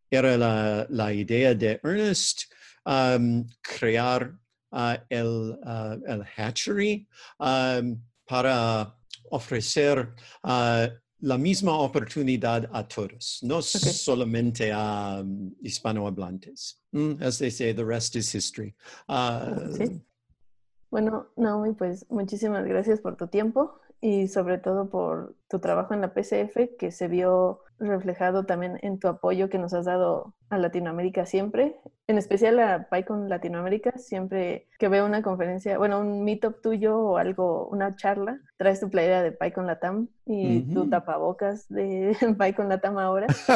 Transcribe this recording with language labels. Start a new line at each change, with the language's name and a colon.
Spanish: Era la idea de Ernest crear el Hatchery para ofrecer la misma oportunidad a todos, solamente a hispanohablantes.
English: As they say, the rest is history.
Spanish: Bueno, Naomi, pues muchísimas gracias por tu tiempo y sobre todo por tu trabajo en la PSF, que se vio reflejado también en tu apoyo que nos has dado a Latinoamérica siempre, en especial a PyCon Latinoamérica. Siempre que veo una conferencia, bueno, un meetup tuyo o algo, una charla, traes tu playera de PyCon Latam y tu tapabocas de PyCon Latam ahora.